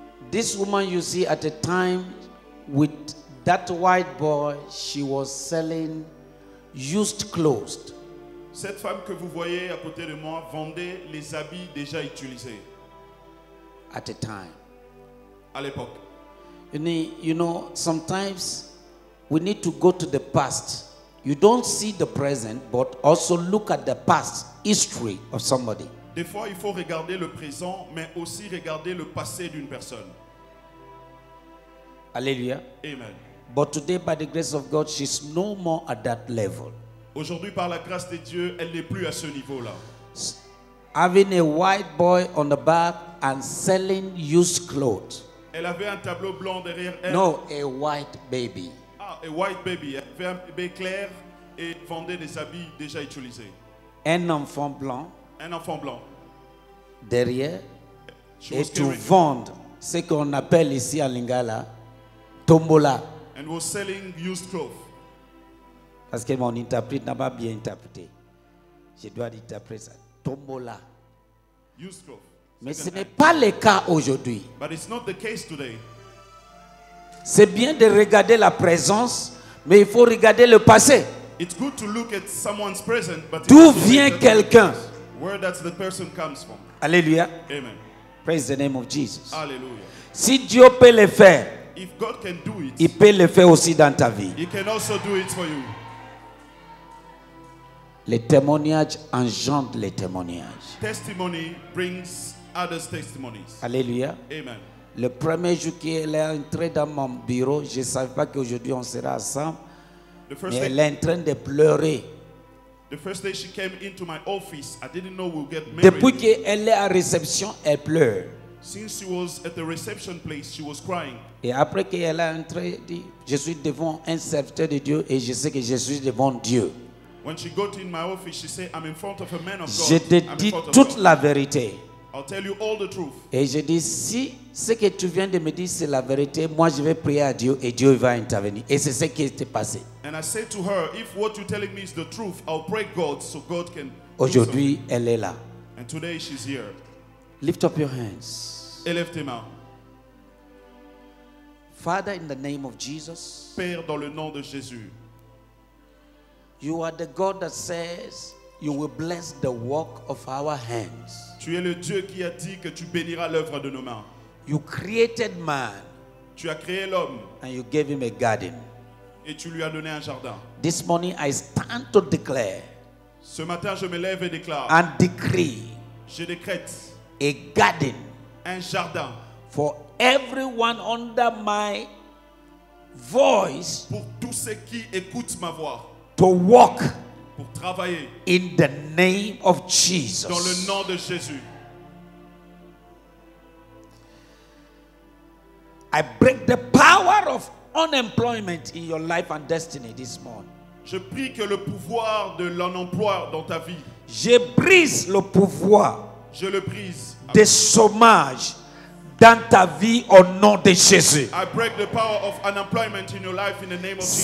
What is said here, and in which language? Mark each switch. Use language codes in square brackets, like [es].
[en] This woman you see at the time with that white boy, she was selling used clothes. [fr] Cette femme que vous voyez à côté de moi vendait les habits déjà utilisés. [en] At the time. [fr] À l'époque. [en] You know, sometimes we need to go to the past. You don't see the present, but also look at the past history of somebody. [fr] Des fois, il faut regarder le présent, mais aussi regarder le passé d'une personne. Alléluia. [en] Amen. But today, by the grace of God, she's no more at that level. [fr] Aujourd'hui, par la grâce de Dieu, elle n'est plus à ce niveau-là. [en] Having a white boy on the back and selling used clothes. [fr] Elle avait un tableau blanc derrière elle. [en] No, a white baby. Ah, a white baby. [fr] Elle avait un bébé clair et vendait des habits déjà utilisés. Un enfant blanc. Un enfant blanc. Derrière. Et to vendre ce qu'on appelle ici en Lingala, tombola. [en] And was selling used clothes. [fr] Parce que mon interprète n'a pas bien interprété. Je dois interpréter ça. Tombola. [en] Used clothes. [fr] Mais ce n'est pas le cas aujourd'hui. [en] But it's not the case today. [fr] C'est bien de regarder la présence, mais il faut regarder le passé. [en] It's good to look at someone's present, but [fr] d'où vient quelqu'un? [en] Where does the person comes from? [fr] Alléluia. [en] Amen. Praise the name of Jesus. [fr] Alléluia. Si Dieu peut le faire, [en] if God can do it, [fr] il peut le faire aussi dans ta vie. [en] He can also do it for you. [fr] Le témoignage engendre le témoignage. [en] Testimony brings others testimonies. [fr] Alléluia. [en] Amen. [fr] Le premier jour qu'elle est entrée dans mon bureau, je ne savais pas qu'aujourd'hui on sera ensemble. Mais elle est en train de pleurer. [en] The first day she came into my office, I didn't know we'll get married. [fr] Depuis qu'elle est à réception, elle pleure. [en] Since she was at the reception place, she was crying. [fr] Et après qu'elle est entrée, je suis devant un serviteur de Dieu et je sais que je suis devant Dieu. [en] When she got in my office, she said, I'm in front of a man of God. [fr] Je te dis toute la vérité. [en] I'll tell you all the truth. [fr] Et je dis, si ce que tu viens de me dire, c'est la vérité, moi je vais prier à Dieu et Dieu va intervenir. Et c'est ce qui s'est passé. [en] And I said to her, if what you're telling me is the truth, I'll pray God so God can [fr] aujourd'hui, elle est là. [en] And today she's here. Lift up your hands. [fr] Élève tes mains. [en] Father, in the name of Jesus. [fr] Père, dans le nom de Jésus. [en] You are the God that says You will bless the work of our hands. [fr] Tu es le Dieu qui a dit que tu béniras l'œuvre de nos mains. [en] You created man. [fr] Tu as créé l'homme. [en] And you gave him a garden. [fr] Et tu lui as donné un jardin. [en] This morning I stand to declare. [fr] Ce matin je me lève et déclare. [en] And decree. [fr] Je décrète. [en] A garden. [fr] Un jardin. [en] For everyone under my voice. [fr] Pour tous ceux qui écoutent ma voix. [en] To walk. [fr] Pour travailler. [en] In the name of Jesus. [fr] Dans le nom de Jésus. [en] I break the power of unemployment in your life and destiny this morning. [fr] Je prie que le pouvoir de l'emploi dans ta vie. Je brise le pouvoir. Je le brise. Des chômages dans ta vie au nom de Jésus. [en] I break the power of unemployment in your life in the name of Jesus.